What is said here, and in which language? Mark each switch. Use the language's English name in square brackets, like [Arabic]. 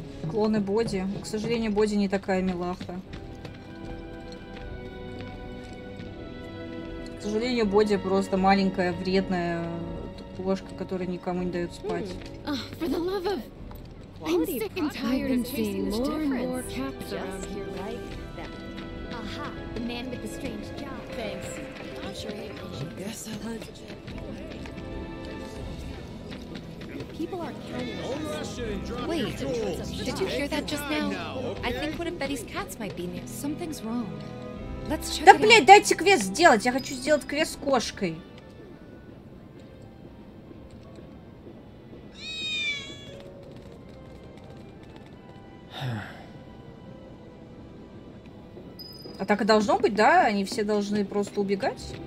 [Russian] Клоны Боди. К сожалению, Боди не такая милаха. К сожалению, Боди просто маленькая, вредная кошка, которая никому не дает спать. [English] I'm sick and tired of chasing the difference. Just like that. Aha, the man with the strange job. Thanks. I'm sure you appreciate it. Yes, I'll have to check. People are counting on us. Wait, did you hear that just now? I think one of Betty's cats might be near. Something's wrong. Let's check. [Russian] Да, блядь, дайте квест сделать. Я хочу сделать квест с кошкой. А так и должно быть, да? Они все должны просто убегать?